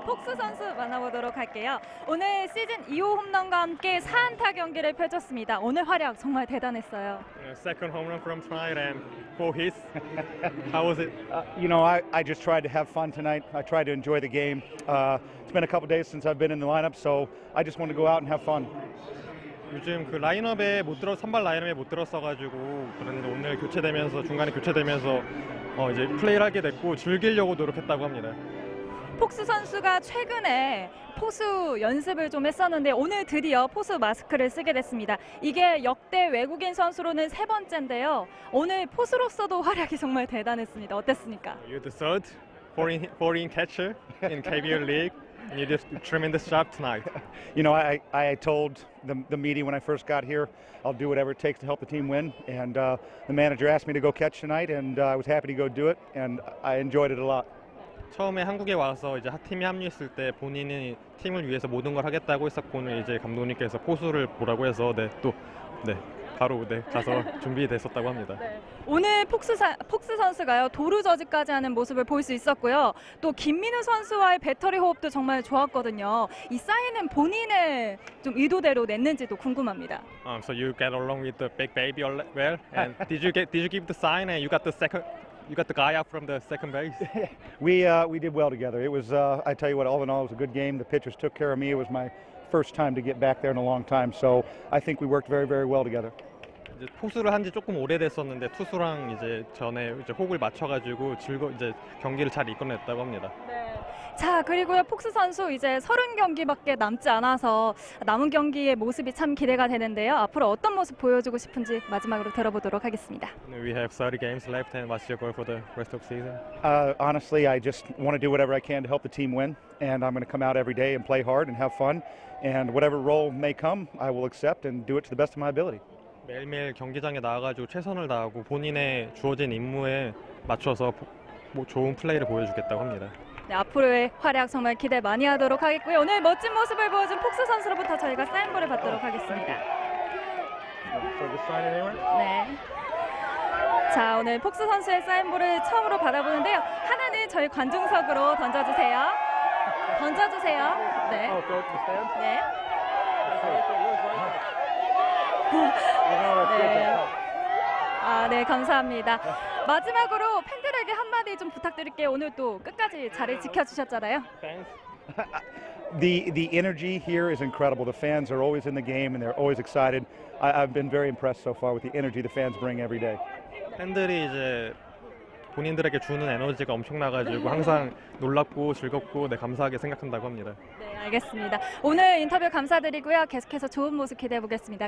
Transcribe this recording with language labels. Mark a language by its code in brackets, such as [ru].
[ko] 폭스 선수 만나보도록 할게요. 오늘 시즌 2호 홈런과 함께 4안타 경기를 펼쳤습니다. 오늘 활약 정말 대단했어요. [en] Second home run from tonight and four hits. How was it? I just tried to have fun tonight. I tried to enjoy the game. It's been a couple days since I've been in the lineup, so I just want to go out and have fun. [ko] 요즘 그 라인업에 못 들어 선발 라인업에 못 들었어 가지고 그런데 오늘 교체되면서 중간에 교체되면서 이제 플레이를 하게 됐고 즐기려고 노력했다고 합니다. 폭스 선수가 최근에 포수 연습을 좀 했었는데 오늘 드디어 포수 마스크를 쓰게 됐습니다. 이게 역대 외국인 선수로는 세 번째인데요. 오늘 포수로서도 활약이 정말 대단했습니다. 어땠습니까? [en] You're the third foreign catcher in KBO League. And you did a tremendous job tonight. You know, I told the media when I first got here, I'll do whatever it takes to help the team win. And the manager asked me to go catch tonight, and I was happy to go do it. And I enjoyed it a lot. [ko] 처음에 한국에 와서 이제 팀에 합류했을 때 본인이 팀을 위해서 모든 걸 하겠다고 했었고 오늘 이제 감독님께서 포수를 보라고 해서 바로 가서 준비됐었다고 합니다. 네. 오늘 폭스 선수가요 도루 저지까지 하는 모습을 볼 수 있었고요. 또 김민우 선수와의 배터리 호흡도 정말 좋았거든요. 이 사인은 본인의 좀 의도대로 냈는지도 궁금합니다. [en] So you get along with the big baby well? And did you give the sign and you got the second? You got the guy out from the second base. we did well together. It was I tell you what, all in all, it was a good game. The pitchers took care of me. It was my first time to get back there in a long time, so I think we worked very, very well together. [ko] 이제 포수를 한지 조금 오래됐었는데 투수랑 이제 전에 이제 호흡을 맞춰가지고 이제 경기를 잘 이끌어냈다고 합니다. 네. 자 그리고요 폭스 선수 이제 30 경기밖에 남지 않아서 남은 경기의 모습이 참 기대가 되는데요. 앞으로 어떤 모습 보여주고 싶은지 마지막으로 들어보도록 하겠습니다. [en] We have 30 games left, and what's your goal for the rest of the season? Honestly, I just want to do whatever I can to help the team win, and I'm going to come out every day and play hard and have fun, and whatever role may come, I will accept and do it to the best of my ability. [ko] 매일매일 경기장에 나와가지고 최선을 다하고 본인의 주어진 임무에 맞춰서 좋은 플레이를 보여주겠다고 합니다. 네, 앞으로의 활약 정말 기대 많이 하도록 하겠고요. 오늘 멋진 모습을 보여준 폭스 선수로부터 저희가 사인볼을 받도록 하겠습니다. 네. 자, 오늘 폭스 선수의 사인볼을 처음으로 받아보는데요. 하나는 저희 관중석으로 던져주세요. 던져주세요. 네. 네. 네. 아, 네, 감사합니다. 마지막으로 팬들에게 한마디 좀 부탁드릴게요. 오늘 또 끝까지 자리 지켜주셨잖아요. [en] The energy here is incredible. The fans are always in the game and they're always excited. I've been very impressed so far with the energy the fans bring every day. [ko] 팬들이 이제 본인들에게 주는 에너지가 엄청나가지고 항상 놀랍고 즐겁고 네, 감사하게 생각한다고 합니다. 네, 알겠습니다. 오늘 인터뷰 감사드리고요. 계속해서 좋은 모습 기대해보겠습니다.